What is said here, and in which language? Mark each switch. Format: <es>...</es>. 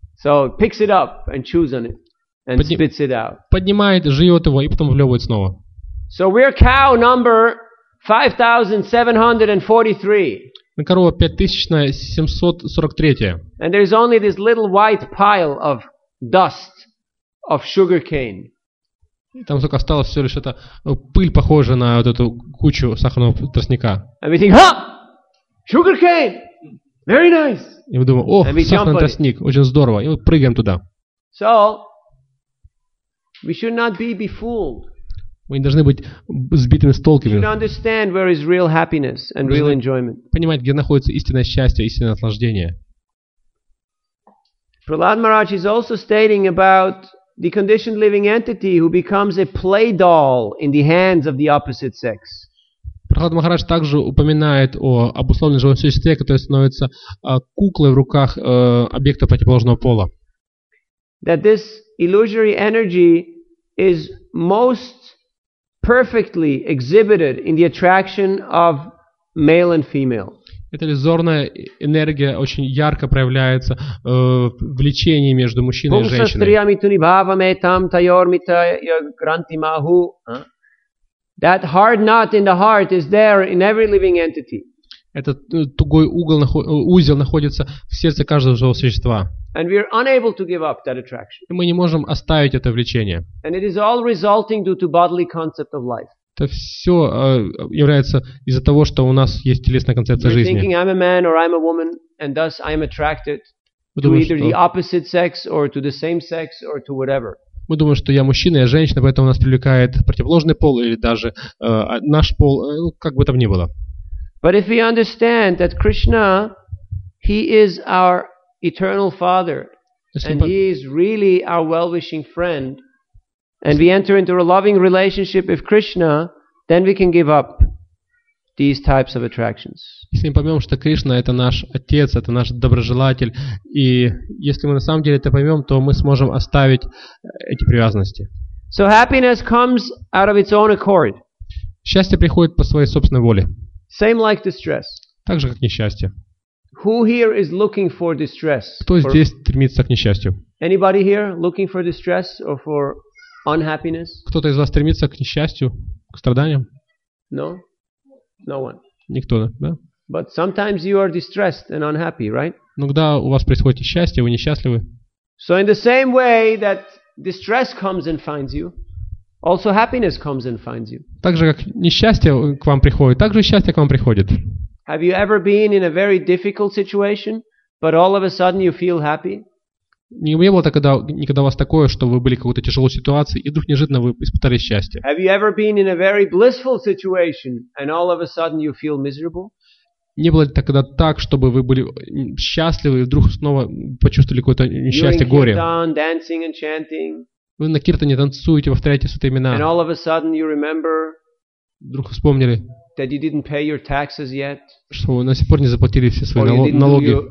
<en>So it picks it up and chews on it and spits it out.</en> <ru>Поднимает, жует его и потом вливает снова.</ru> <en>So we're cow number 5743.</en> <ru>На корова 5743.</ru> <en>And there's only this little white pile of dust of sugar cane.</en> <ru>Там только осталось всего лишь это пыль, похожая на вот эту кучу сахарного тростника.</ru> <en>And we think, ha! Sugar cane! Very nice!</en> <ru>И мы думаем, о, сахарный тростник, очень здорово. И мы прыгаем туда.</ru> <en>So, we should not be befooled.</en> <ru>Мы не должны быть сбитыми с толку.</ru> <en>We should understand where is real happiness and real enjoyment.</en> <ru>Понимать, где находится истинное счастье, истинное наслаждение.</ru> <en>Prahlad Maharaj is also stating about the conditioned living entity who becomes a play doll in the hands of the opposite sex.</en> <ru>Прахлад Махарадж также упоминает о обусловленном живом существе, которое становится куклой в руках объекта противоположного пола.</ru> <en>That this illusory energy is most perfectly exhibited in the attraction of male and female.</en> <ru>Эта иллюзорная энергия очень ярко проявляется в влечении между мужчиной и женщиной.</ru> <en>That hard knot in the heart is there in every living entity.</en> <ru>Этот тугой угол, узел находится в сердце каждого живого существа.</ru> <en>And we are unable to give up that attraction.</en> <ru>И мы не можем оставить это влечение.</ru> <en>And it is all resulting due to bodily concept of life.</en> <ru>Это все является из-за того, что у нас есть телесная концепция жизни.</ru> <en>You're thinking, I'm a man or I'm a woman, and thus I am attracted to either the opposite sex or to the same sex or to whatever.</en> <ru>Мы думаем, что я мужчина, я женщина, поэтому нас привлекает противоположный пол или даже наш пол, как бы там ни было.</ru> <en>But if we understand that Krishna, he is our eternal father, and he is really our well-wishing friend, and we enter into a loving relationship with Krishna, then we can give up these types of attractions.</en> <ru>Если мы поймем, что Кришна это наш отец, это наш доброжелатель, и если мы на самом деле это поймем, то мы сможем оставить эти привязанности.</ru> <en>So happiness comes out of its own accord.</en> <ru>Счастье приходит по своей собственной воле.</ru> <en>Same like distress.</en> <ru>Так же, как несчастье.</ru> <en>Who here is looking for distress?</en> <ru>Кто здесь стремится к несчастью?</ru> <en>Anybody here looking for distress or for unhappiness?</en> <ru>Кто-то из вас стремится к несчастью, к страданиям?</ru> <en>No. No one.</en> <ru>Никто, да?</ru> <en>But sometimes you are distressed and unhappy, right?</en> <ru>Но когда у вас происходит несчастье, вы несчастливы.</ru> <en>So in the same way that distress comes and finds you, also happiness comes and finds you.</en> <ru>Так же, как несчастье к вам приходит, так же счастье к вам приходит.</ru> <en>Have you ever been in a very difficult situation, but all of a sudden you feel happy?</en> <ru>Не было тогда никогда у вас такое, что вы были в какой-то тяжелой ситуации и вдруг неожиданно вы испытали счастье?</ru> <en>Have you ever been in a very blissful situation and all of a sudden you feel miserable?</en> <ru>Не было тогда так, чтобы вы были счастливы и вдруг снова почувствовали какое-то несчастье, горе?</ru> <en>You're in kirtan, dancing and chanting.</en> <ru>Вы на киртане танцуете, повторяете святые имена.</ru> <en>And all of a sudden you remember.</en> <ru>Вдруг вспомнили.</ru> <en>That you didn't pay your taxes yet.</en> <ru>Что вы на сих пор не заплатили все свои налоги?</ru>